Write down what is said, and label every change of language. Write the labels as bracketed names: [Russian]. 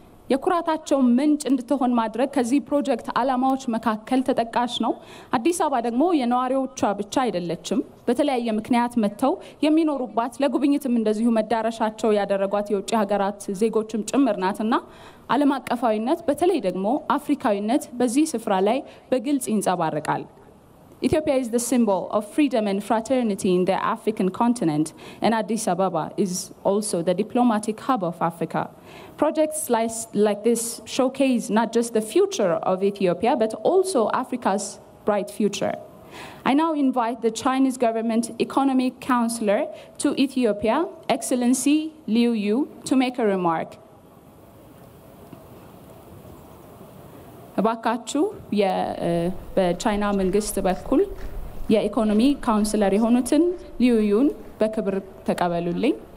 [Amharic] የኩራታቸው ምንጭ እንድትሆን ማድረግ ከዚህ ፕሮጀክት አላማዎች መካከል ተጠቃሽ ነው። አዲስ አበባ ደግሞ የነዋሪዎቿ ብቻ አይደለችም። በተለያየ ምክንያት መጥተው የሚኖሩባት ለጉብኝትም እንደዚሁ መዳረሻቸው ያደረጓት የውጭ ሀገራት ዜጎችም ጭምር ናትና ዓለም አቀፋዊነት በተለይ ደግሞ አፍሪካዊነት በዚህ ስፍራ ላይ በግልጽ ይንጸባረቃል። [English] Ethiopia is the symbol of freedom and fraternity in the African continent, and Addis Ababa is also the diplomatic hub of Africa. Projects like this showcase not just the future of Ethiopia, but also Africa's bright future. I now invite the Chinese government economic counselor to Ethiopia, Excellency Liu Yu, to make a remark. [Amharic] ባካቹ በቻይና መንግስት በኩል የኢኮኖሚ ካውንስለር የሆኑትን ሊዩዩን በክብር ተቀበሉልኝ።